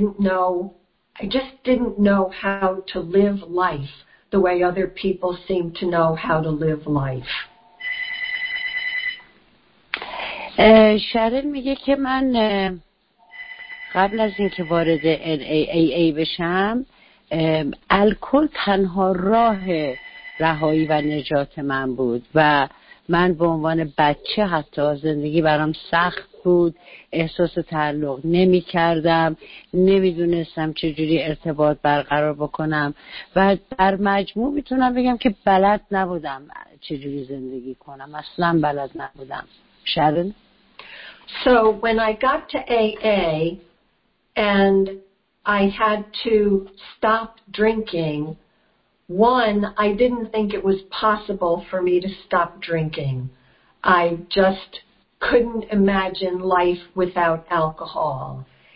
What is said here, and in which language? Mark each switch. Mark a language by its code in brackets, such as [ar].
[en] I just didn't know how to live life the way other people seem to know how to live life. [fa] شرن میگه که من قبل از اینکه وارد AA بشم الکل تنها راه رهایی و نجات من بود و من به عنوان بچه حتی زندگی برام سخت بود، احساس تعلق نمی کردم، نمی دونستم چجوری ارتباط برقرار بکنم و در مجموع میتونم بگم که بلد نبودم چجوری زندگی کنم، اصلا بلد نبودم. شرن؟ [en] So when I got to AA and I had to stop drinking, one, I didn't think it was possible for me to stop drinking. I just couldn't imagine life without alcohol.